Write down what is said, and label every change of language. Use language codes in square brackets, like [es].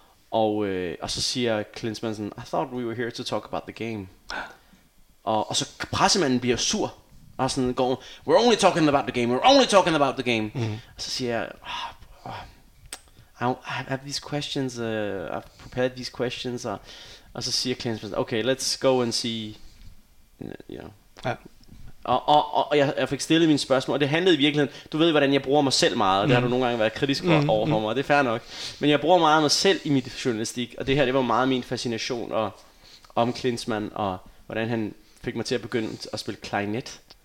[da] Og så siger Klinsmann sådan, [en] I thought we were here to talk about the game. [da] Og så pressemanden bliver sur. Og sådan går, [en] we're only talking about the game. We're only talking about the game. [da] Mm-hmm. Og så siger jeg, [en] I have these questions. I've prepared these questions. Og så siger Klinsmann, okay, let's go and see, you know. Ja. [da] Og jeg fik stillet mine spørgsmål, og det handlede i virkeligheden, du ved, hvordan jeg bruger mig selv meget, og det har du nogle gange været kritisk over for mig, og det er fair nok. Men jeg bruger meget mig selv i mit journalistik, og det her, det var meget min fascination og, om Klinsmann, og hvordan han fik mig til at begynde at spille klarinet.